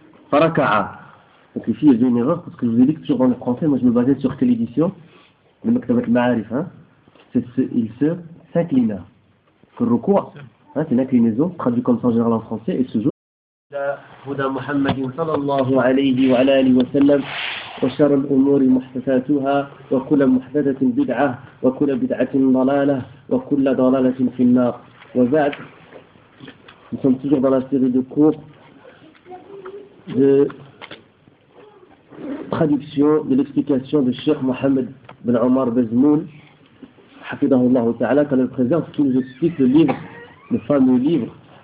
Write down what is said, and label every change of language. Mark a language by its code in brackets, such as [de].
[fr] Faraka'a. Donc ici, il y a une erreur, parce que je vous ai dit que toujours dans le français, moi je me basais sur quelle édition? Le Maktabat al-Ma'arif, hein? Il s'inclina. Rukou'a, hein? C'est une inclinaison, traduit comme ça en général en français, et ce jour. [ar] هدى محمد صلى الله عليه وعلى آله وسلم وشر الأمور محدثاتها وكل محدثة بدعة وكل بدعة ضلالة وكل ضلالة في النار وبعد [fr] nous sommes toujours dans la série de cours de traduction de l'explication de Cheikh Mohamed Ben Omar Bezmoul [ar] حفظه الله تعالى [fr] qui nous explique le livre, le fameux livre